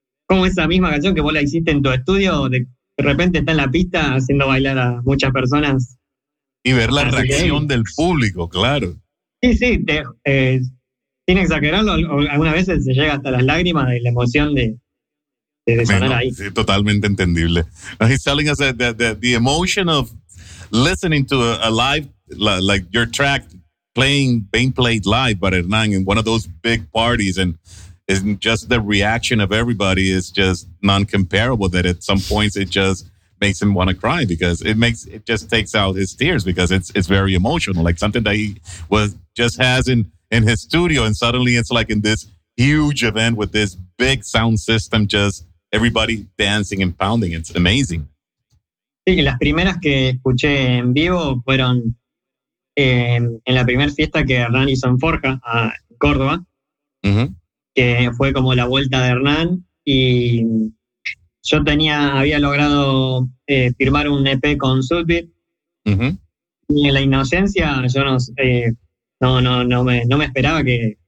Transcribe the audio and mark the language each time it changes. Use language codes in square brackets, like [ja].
[es] como esa misma canción que vos la hiciste en tu estudio, de repente está en la pista haciendo bailar a muchas personas. Y ver la reacción del público, claro. Sí, sí, sin exagerarlo, algunas veces se llega hasta las lágrimas y la emoción de sonar ahí. Sí, totalmente entendible. [en] He's telling us that the emotion of listening to a live, like your track, being played live by Hernán in one of those big parties, and isn't just the reaction of everybody is just non-comparable, that at some points it just makes him want to cry, because it just takes out his tears, because it's very emotional, like something that he just has in his studio, and suddenly it's like in this huge event with this big sound system, just everybody dancing and pounding. It's amazing. [es] Sí, las primeras que escuché en vivo fueron en la primera fiesta que Hernán hizo en Forja, en Córdoba, que fue como la vuelta de Hernán, y yo había logrado firmar un EP con Sudbeat, y en La Inocencia yo no me esperaba que...